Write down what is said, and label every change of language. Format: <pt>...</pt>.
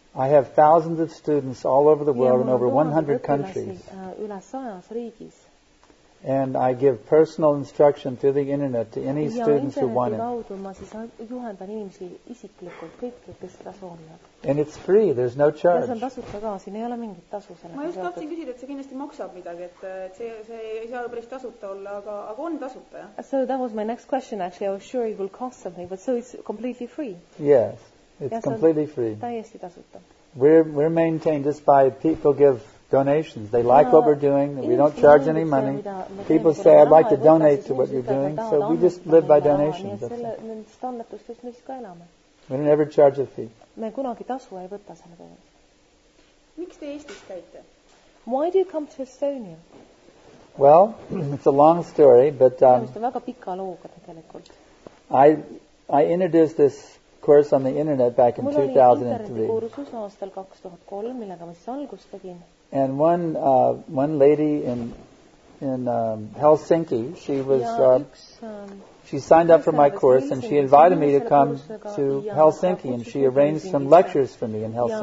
<en>I have thousands of students all over the world in over 100 countries.</en> <et>Üle 100 riigis.</et> <en>And I give personal instruction through the internet to any students who want it.</en> <et>Ma siis juhendan inimesi isiklikult kõikki, kes seda soovivad.</et> <en>And it's free, there's no charge.</en> <et>Ja see on tasuta ka, siin ei ole mingit tasu sellega. Ma just tahtsin küsida, et see kindlasti maksab midagi, et see ei saa päris tasuta olla, aga on tasuta, ja?</et> <en>So that was my next question, actually. I was sure it will cost something, but so it's completely free? Yes, it's completely free.</en> <et>Täiesti tasuta.</et> <en>We're maintained just by people give donations. They like what we're doing. We don't charge any money. People say, I'd like to donate to what you're doing. So we just live by donations. We don't ever charge a fee.</en> <et>Me kunagi tasu ei võtta selle peale. Miks te Eestis käite?</et> <en>Why do you come to Estonia? Well, it's a long story, but I introduced this course on the internet back in 2003. And one lady in Helsinki, she was she signed up for my course, and she invited me to come to Helsinki, and she arranged some lectures for me in</en>